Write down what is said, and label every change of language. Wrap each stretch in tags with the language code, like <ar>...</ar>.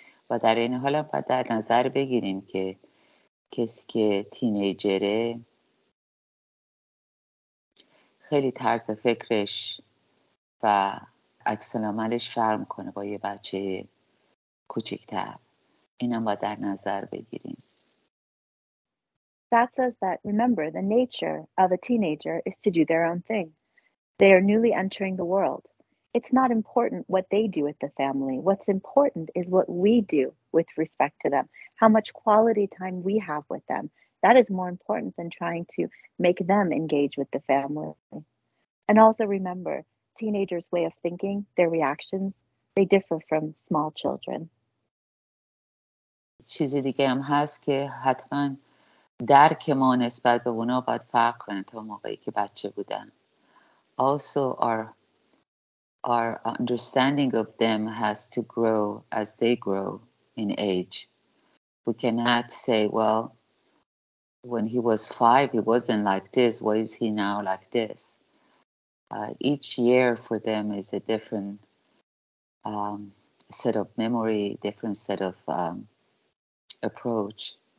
<fa>و در این حال هم باید در نظر بگیریم که کسی که تینیجره خیلی طرز فکرش و عکس عملش فرق کنه با یه بچه کوچکتر. اینم باید در نظر بگیریم.</fa> <en>That says that remember the nature of a teenager is to do their own thing. They are newly entering the world. It's not important what they do with the family. What's important is what we do with respect to them, how much quality time we have with them. That is more important than trying to make them engage with the family. And also remember, teenagers' way of thinking, their reactions, they differ from small children.</en> <fa>چیزی دیگه هم هست که حتما درک ما نسبت به اونا باید فرق کنه تا موقعی که بچه بودن.</fa> <en>Also, our understanding of them has to grow as they grow. in age. We cannot say, well, when he was five, he wasn't like this. Why is he now like this? Each year for them is a different set of memory, different set of approach.</en>